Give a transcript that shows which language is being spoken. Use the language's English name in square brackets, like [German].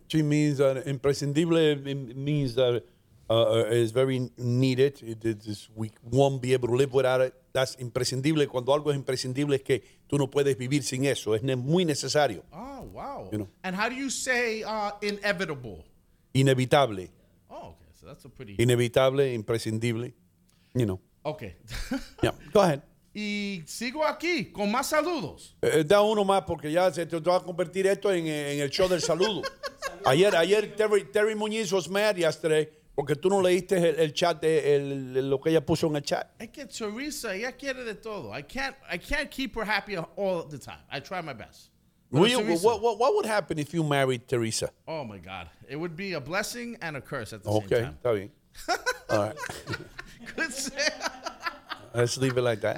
[English] She means that imprescindible means that is very needed. We won't be able to live without it. That's imprescindible. [Spanish] Cuando algo es imprescindible es que tú no puedes vivir sin eso. Es muy necesario. [English] Oh, wow. You know? And how do you say inevitable? [Spanish] Inevitable. [English] Oh, okay. So that's a pretty... Inevitable, imprescindible. You know. Okay. Yeah. Go ahead. [Spanish] Y sigo aquí con más saludos. Da uno más porque ya se te va a convertir esto en el show del saludo. Ayer Terry Muñiz [English] was mad yesterday [Spanish] porque tú no leíste el chat de lo que ella puso en el chat. Es que Teresa, ella quiere de todo. [English] I can't keep her happy all the time. I try my best. What would happen if you married Teresa? Oh my God, it would be a blessing and a curse at the same time. [Spanish] Okay, está bien. [English] All right. Let's leave it like that.